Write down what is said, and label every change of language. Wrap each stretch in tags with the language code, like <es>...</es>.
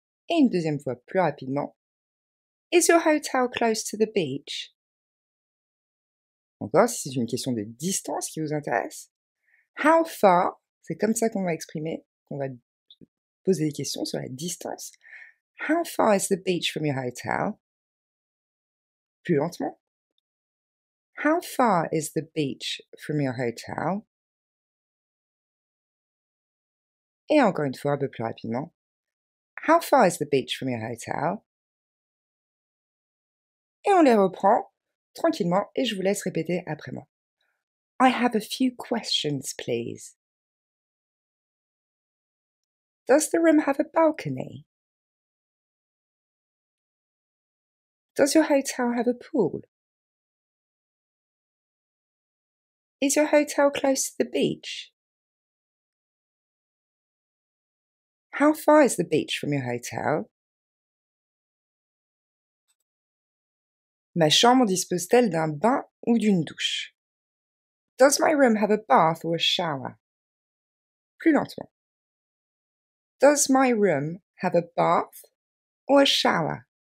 <fr>Et une deuxième fois plus rapidement.</fr> <en>Is your hotel close to the beach?</en> <fr>Encore, si c'est une question de distance qui vous intéresse.</fr> <en>How far?</en> <fr>C'est comme ça qu'on va exprimer, qu'on va poser des questions sur la distance.</fr> <en>How far is the beach from your hotel?</en> <fr>Plus lentement.</fr> <en>How far is the beach from your hotel?</en> <fr>Et encore une fois, un peu plus rapidement.</fr> <en>How far is the beach from your hotel?</en> <fr>Et on les reprend tranquillement et je vous laisse répéter après moi.</fr> <en>I have a few questions, please. Does the room have a balcony? Does your hotel have a pool? Is your hotel close to the beach? How far is the beach from your hotel?</en> <fr>Ma chambre dispose-t-elle d'un bain ou d'une douche?</fr> <en>Does my room have a bath or a shower?</en> <fr>Plus lentement.</fr> <en>Does my room have a bath or a shower?</en>